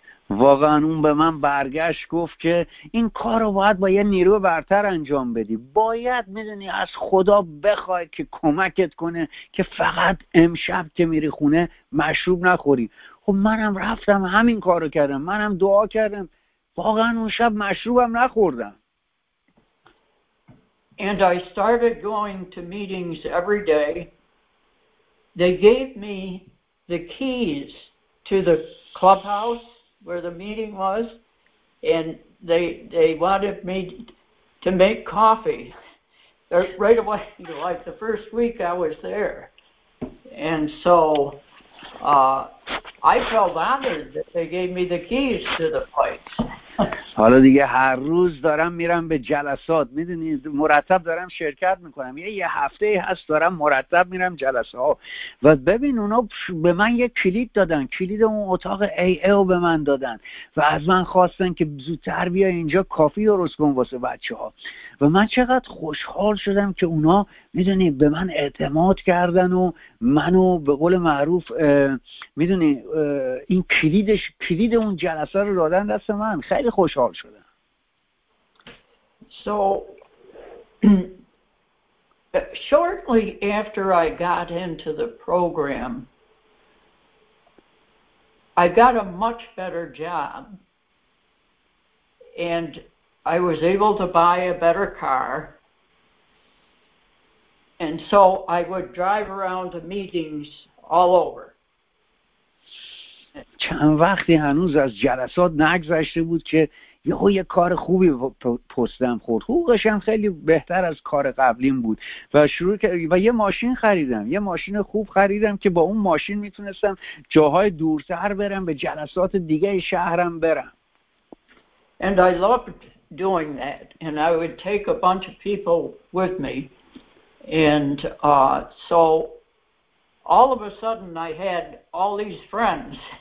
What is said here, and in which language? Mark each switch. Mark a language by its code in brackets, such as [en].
[fa] واقعا اون به من برگشت گفت که این کار رو باید با یه نیرو برتر انجام بدی، باید میدونی از خدا بخوای که کمکت کنه که فقط امشب که میری خونه مشروب نخوری. خب منم رفتم همین کار رو کردم، منم دعا کردم، واقعا اون شب مشروبم نخوردم. [en] And I started going to meetings every day. They gave me the keys to the clubhouse where the meeting was, and they wanted me to make coffee right away, like the first week I was there. And so I felt honored that they gave me the keys to the place. [fa] حالا دیگه هر روز دارم میرم به جلسات، میدونی مرتب دارم شرکت میکنم، یه هفته هست دارم مرتب میرم جلسه ها. و ببین اونا به من یه کلید دادن، کلید اون اتاق AA رو به من دادن و از من خواستن که زودتر بیا اینجا کافی درست کن واسه بچه ها. و من چقدر خوشحال شدم که اونا میدونی به من اعتماد کردن و منو به قول معروف میدونی این کلیدش، کلید اون جلسه رو دادن دست من. خیلی خوشحال شدم. [en] So shortly after I got into the program I got a much better job and I was able to buy a better car. And so I would drive around to meetings all over. [fa] چند وقتی هنوز از جلسات نگذشته بود که یهو یه کار خوبی پستم خورد. حقوقش هم خیلی بهتر از کار قبلیم بود و شروع و یه ماشین خریدم. یه ماشین خوب خریدم که با اون ماشین میتونستم جاهای دورتر برم، به جلسات دیگه شهرم برم. [en] And I loved doing that, and I would take a bunch of people with me, and so all of a sudden I had all these friends.